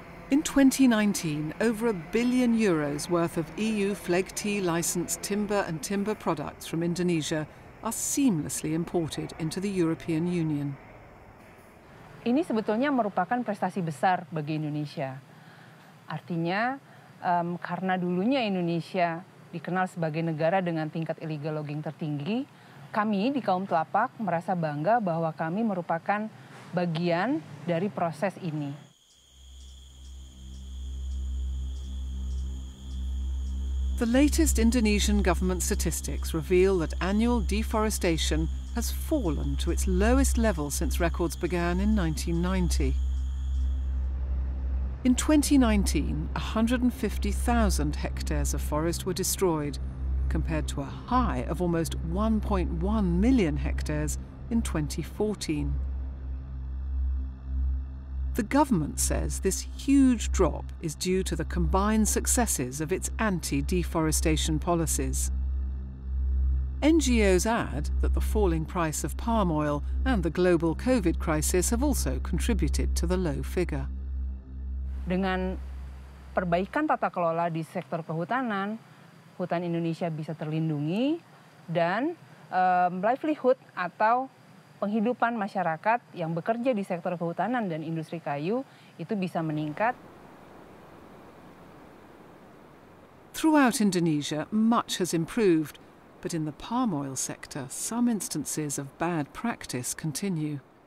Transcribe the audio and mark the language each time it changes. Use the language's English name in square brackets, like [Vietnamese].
[English] In 2019, over €1 billion worth of EU FLEG-T licensed timber and timber products from Indonesia are seamlessly imported into the European Union. [Indonesian] Ini sebetulnya merupakan prestasi besar bagi Indonesia. Artinya, karena dulunya Indonesia dikenal sebagai negara dengan tingkat illegal logging tertinggi, kami di Kaoem Telapak merasa bangga bahwa kami merupakan bagian dari proses ini. [English] The latest Indonesian government statistics reveal that annual deforestation has fallen to its lowest level since records began in 1990. In 2019, 150,000 hectares of forest were destroyed, compared to a high of almost 1.1 million hectares in 2014. The government says this huge drop is due to the combined successes of its anti-deforestation policies. NGOs add that the falling price of palm oil and the global COVID crisis have also contributed to the low figure. [Indonesian] Dengan perbaikan tata kelola di sektor kehutanan, hutan Indonesia bisa terlindungi dan livelihood atau penghidupan masyarakat yang bekerja di sektor kehutanan dan industri kayu itu bisa meningkat. [English] Throughout Indonesia, much has improved, but in the palm oil sector, some instances of bad practice continue.